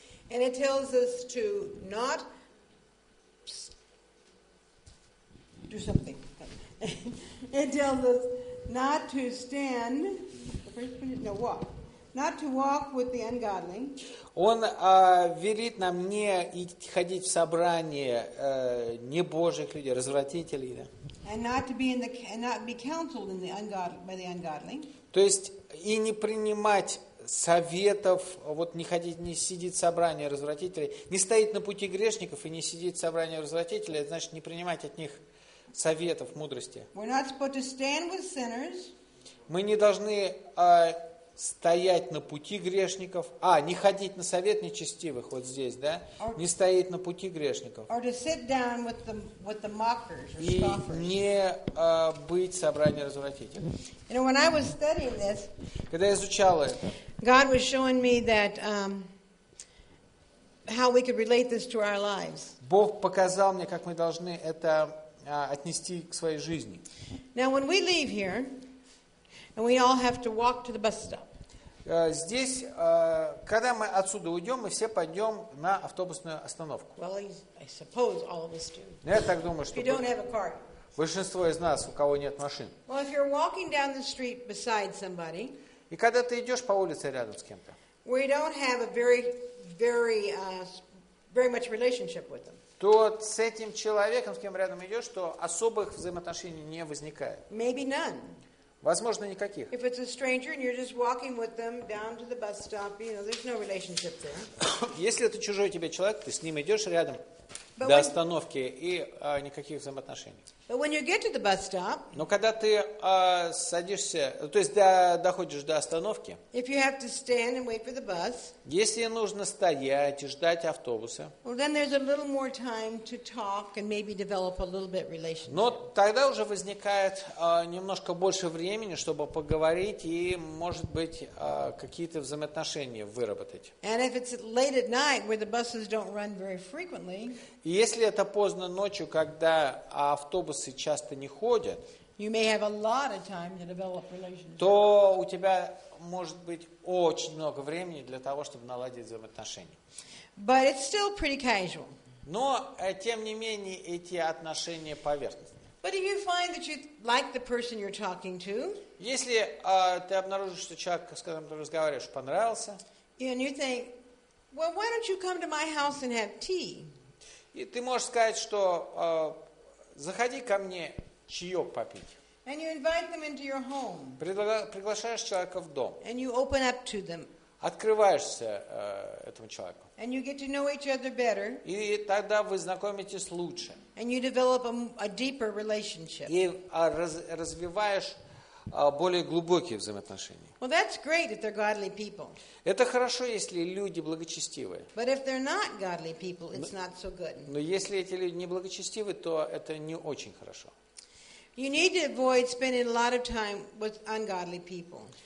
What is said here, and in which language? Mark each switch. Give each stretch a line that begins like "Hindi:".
English: And it tells us to not do something. It tells us not to stand. No, walk. Not to walk with the ungodly.
Russian: Он велит нам не идти ходить в собрание небожих людей, развратителей. Да?
English: And not to be in the and not be counseled in the by the ungodly.
Russian: То есть и не принимать советов, вот не ходить, не сидеть в собрании развратителей, не стоит на пути грешников и не сидеть в собрании развратителей, это значит не принимать от них советов, мудрости.
English: We're not supposed to stand with sinners.
Russian: Мы не должны стоять на пути грешников, не ходить на совет нечестивых, вот здесь, да, не стоять на пути грешников.
English: Or to sit down with the mockers or scoffers.
Russian: И не быть в собрании развратителей.
English: You know, when I was studying this,
Russian: когда я изучал это,
English: God was showing me that how we could relate this to our lives.
Russian: Бог показал мне, как мы должны это отнести к своей жизни.
English: Now, when we leave here, and we all have to walk to the bus stop.
Russian: Здесь, когда мы отсюда уйдем, мы все пойдем на автобусную остановку.
English: Well, I suppose all of us do.
Russian: Я так думаю, что
English: if you don't have a car.
Russian: Большинство из нас, у кого нет машин.
English: Well, if you're walking down the street beside somebody.
Russian: И когда ты идешь по улице рядом с кем-то.
English: We don't have a very, very, very much relationship with them.
Russian: То с этим человеком, с кем рядом идешь, что особых взаимоотношений не возникает.
English: Maybe none.
Russian: Возможно, никаких.
English: If it's a stranger and you're just walking with them down to the bus stop, you know, there's no relationship there.
Russian: Если это чужой тебе человек, ты с ним идешь рядом до остановки и никаких взаимоотношений.
English: But when you get to the bus stop,
Russian: но когда ты садишься, то есть доходишь до остановки,
English: if you have to stand and wait for the bus,
Russian: если нужно стоять и ждать автобуса,
English: well, then there's a little more time to talk and maybe develop a little bit relationship.
Russian: Но тогда уже возникает немножко больше времени, чтобы поговорить и, может быть, какие-то взаимоотношения выработать.
English: And if it's late at night where the buses don't run very frequently,
Russian: и если это поздно ночью, когда автобусы часто не ходят,
English: you may have a lot of time to develop relationships.
Russian: То у тебя может быть очень много времени для того, чтобы наладить взаимоотношения.
English: But it's still pretty casual.
Russian: Но, тем не менее, эти отношения поверхностные.
English: But if you find that you like the person you're talking to,
Russian: если ты обнаружишь, что человек, с которым ты разговариваешь, понравился,
English: and you think, well, why don't you come to my house and have tea?
Russian: И ты можешь сказать, что заходи ко мне чаек попить.
English: And you invite them into your home.
Russian: Приглашаешь человека в дом.
English: And you open up to them.
Russian: Открываешься этому человеку.
English: And you get to know each other better.
Russian: И тогда вы знакомитесь лучше.
English: And you develop a deeper relationship.
Russian: И развиваешь более глубокие взаимоотношения.
English: Well, that's great if they're godly people.
Russian: Это хорошо, если люди благочестивые.
English: But if they're not godly people, it's not so good.
Russian: Но если эти люди не благочестивы, то это не очень хорошо.
English: You need to avoid spending a lot of time with ungodly people.